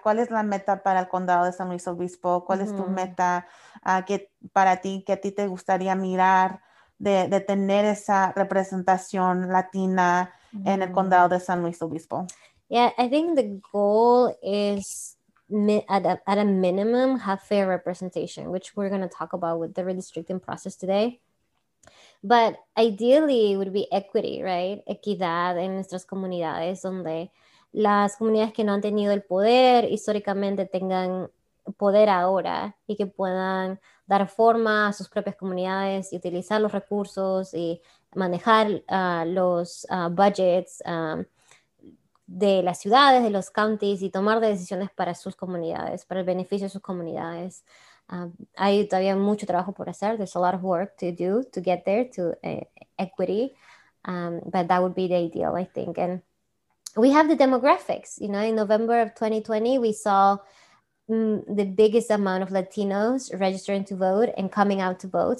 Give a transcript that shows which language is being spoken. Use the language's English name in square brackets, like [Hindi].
[Spanish] ¿Cuál es la meta para el condado de San Luis Obispo? ¿Cuál es tu meta que para ti, que a ti te gustaría mirar de tener esa representación latina en el condado de San Luis Obispo? [English] Yeah, I think the goal is at a minimum have fair representation, which we're going to talk about with the redistricting process today. But ideally it would be equity, right? [Spanish] Equidad en nuestras comunidades donde las comunidades que no han tenido el poder históricamente tengan poder ahora y que puedan dar forma a sus propias comunidades y utilizar los recursos y manejar los budgets de las ciudades, de los counties y tomar decisiones para sus comunidades, para el beneficio de sus comunidades. Hay todavía mucho trabajo por hacer. [English] There's a lot of work to do to get there to equity, but that would be the ideal, I think. And we have the demographics, you know, in November of 2020, we saw the biggest amount of Latinos registering to vote and coming out to vote.